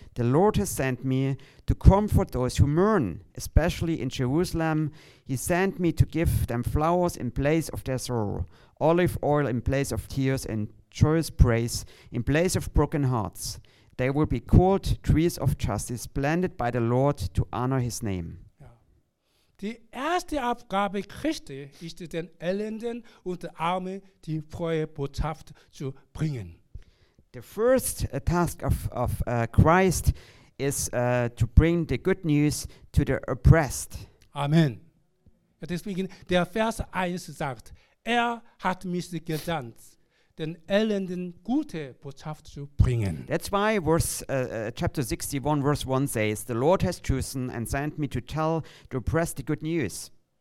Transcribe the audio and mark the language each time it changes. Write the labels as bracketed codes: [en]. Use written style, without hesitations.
[en] The Lord has sent me to comfort those who mourn, especially in Jerusalem. He sent me to give them flowers in place of their sorrow, olive oil in place of tears, and joyous praise in place of broken hearts. They will be called trees of justice, planted by the Lord to honor his name. [de] Die erste Aufgabe Christi ist, den Elenden und Armen die frohe Botschaft zu bringen. [en] The first task of Christ is to bring the good news to the oppressed. Amen. [de] Deswegen, der Vers 1 sagt, er hat mich gesandt, den Elenden gute Botschaft zu bringen. [en] That's why chapter 61, verse 1 says, the Lord has chosen and sent me to tell the oppressed the good news.